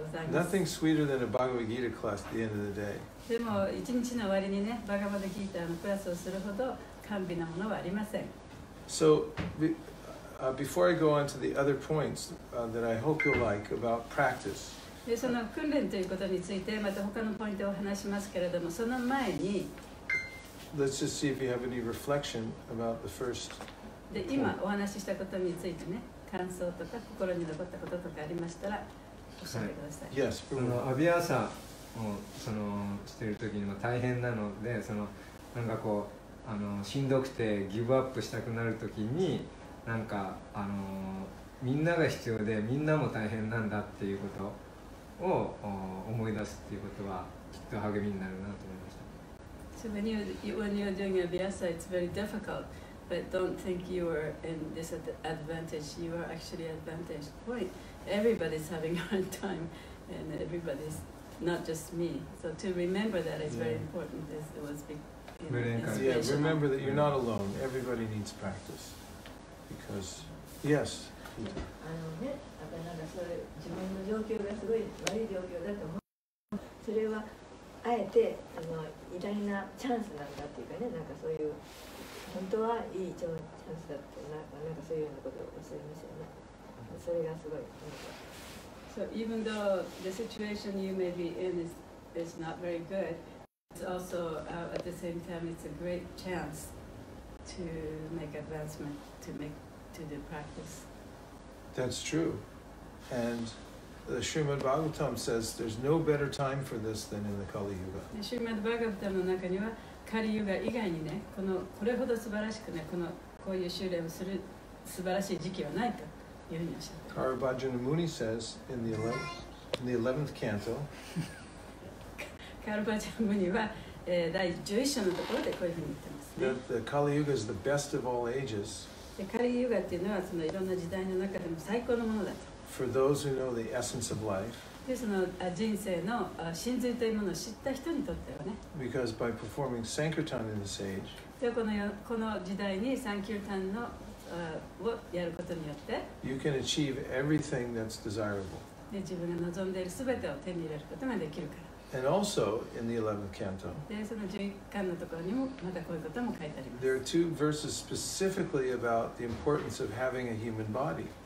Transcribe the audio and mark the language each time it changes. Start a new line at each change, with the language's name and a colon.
English: Nothing sweeter than a Bhagavad Gita class at the end of the day. So, before I go on to the other points that I hope you'll like about practice,
Japanese: でその訓練ということについてまた他のポイントを話しますけれどもその前に
English: Let's just see if you have any reflection about the first
Japanese: で今お話ししたことについてね感想とか心に残ったこととかありましたら教えてください、はい、
English: Yes
Japanese: アビアーサをそのしている時にも大変なのでそのなんかこうあのしんどくてギブアップしたくなる時になんかあのみんなが必要でみんなも大変なんだっていうことを思い出すっていうことはきっと励みになるなと思いました。
English: So when you're doing a Vyasa, it's very difficult, but don't think you are in disadvantage. You are actually advantage point. Everybody's having a hard time, and everybody's not just me. So to remember that is very important. It was big. Yeah, remember that you're not alone. Everybody needs practice, because yes.
Japanese: あのね、だからなんかそれ自分の状況がすごい悪い状況だと思う。それはあえてその偉大なチャンスなんだっていうかね、なんかそういう本当はいいチャンスだってなんかそういうようなことをおっしゃいましたよね。それがすごい。
English: So even though the situation you may be in is not very good, it's also at the same time it's a great chance to make advancement to the practice. That's true. And the Srimad Bhagavatam says there's no better time for this than in the Kali Yuga.
Japanese: Srimad Bhagavatam の中には、Kali Yuga 以外にね、このこれほど素晴らしくね、このこういう修練をする素晴らしい時期はないというふうにおっしゃっています。
English: Karabhajana Muni says in the 11th canto,
Japanese: Karabhajana Muni は第11章のところでこういうふうに言ってますね。
English: The Kali Yuga is the best of all ages.
Japanese: カリユガっていうのはそのいろんな時代の中でも最高のものだと。
English: For those who know the essence of life,
Japanese: でその人生の真髄というものを知った人にとってはね。
English: Because by performing Sankirtan in this age,
Japanese: でこの時代にサンキルタンのをやることによって、
English: you can achieve everything that's desirable.
Japanese: で自分が望んでいるすべてを手に入れることができるから。
English: And also in the 11th canto, there are two verses specifically about the importance of having a human body.